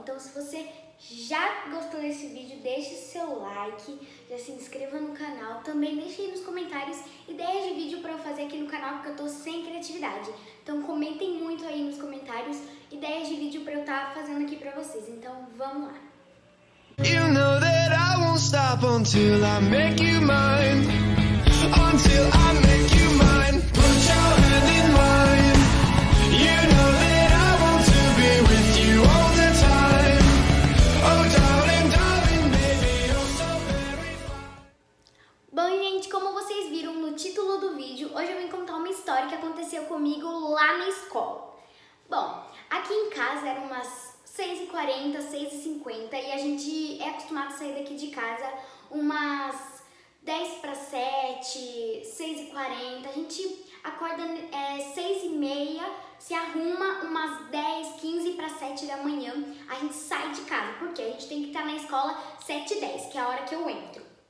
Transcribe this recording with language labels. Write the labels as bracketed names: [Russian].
[Portuguese] Então, se você já gostou desse vídeo, deixe seu like, já se inscreva no canal. Também deixe aí nos comentários ideias de vídeo para eu fazer aqui no canal, porque eu estou sem criatividade. Então, comentem muito aí nos comentários ideias de vídeo para eu estar fazendo aqui para vocês. Então, vamos lá. [English] You know that I won't stop until I make you mine. Until I make you mine. Put your hand in mine. You know that I want to be with you all the time. Oh darling, darling, baby, you're so very fine. [Portuguese] Bom, gente, como vocês viram no título do vídeo, hoje eu vim contar uma história que aconteceu comigo lá na escola. Bom, aqui em casa eram umas 6h40, 6h50, e a gente é acostumado a sair daqui de casa umas 10 para 7, 6h40, a gente acorda 6h30, se arruma umas 10, 15 para 7 da manhã, a gente sai de casa, porque a gente tem que estar na escola 7h10, que é a hora que eu entro.